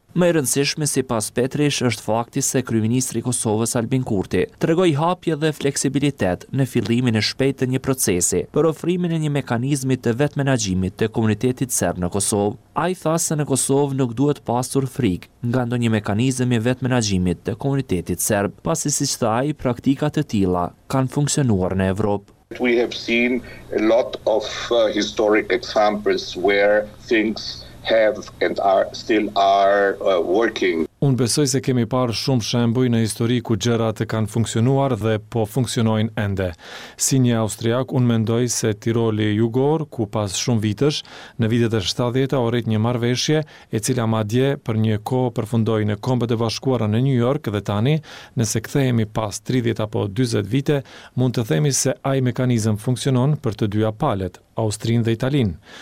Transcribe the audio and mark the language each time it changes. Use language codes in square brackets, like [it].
[sq] Më e rëndësishme sipas Petrich është fakti se kryeministri I Kosovës Albin Kurti tregoi hapje dhe fleksibilitet në fillimin e shpejtë të një procesi për ofrimin e një mekanizmi të vetmenaxhimit të komunitetit serb në Kosovë. Ai tha se në Kosovë nuk duhet pasur frikë nga ndonjë mekanizëm I vetmenaxhimit të komunitetit serb, pasi siç tha ai, praktika të tilla kanë funksionuar në Evropë. [en] We have seen a lot of historic examples where things have and are still working. [sq] Unë besoj se kemi parë shumë shembuj në histori ku gjërat kanë funksionuar dhe po funksionojnë ende. Si një austriak, unë mendoj se Tiroli Jugor, ku pas shumë vitësh, në vitet e 70-ta orit një marrëveshje, e cila madje për një kohë përfundoi në Kombet e Bashkuara në New York dhe tani, nëse kthehemi pas 30 apo 40 vite, mund të themi se ai mekanizëm funksionon për të dyja palët, Austrinë dhe Italinë.